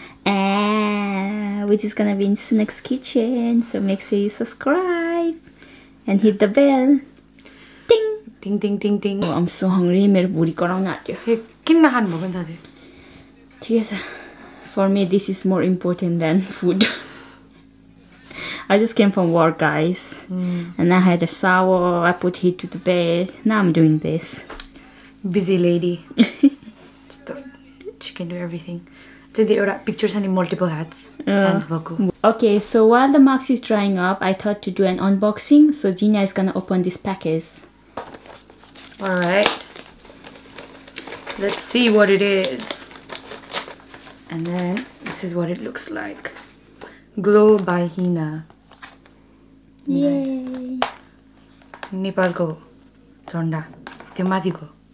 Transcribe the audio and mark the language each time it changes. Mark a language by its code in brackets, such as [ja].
[en] and which is gonna be in snacks kitchen so make sure you subscribe and hit the bell ting ting ting ting I am so hungry [ne] मेरो भुँडी कराउन आँट्यो ए किन नखानु भएको नि साथी ठिकै छ [en] for me this is more important than food I just came from work guys and I had a shower I put hit to the bed now I am doing this busy lady she can do everything [ne] त्यो एउटा picture छ नि multiple hats भएको [en] Okay so one the mask is drying up I thought to do an unboxing so Zinnia is gonna open this package All right, let's see what it is. And then this is what it looks like. Glow by Hina. Yay. [ne] Nice. Nepal ko chanda. Temati ko.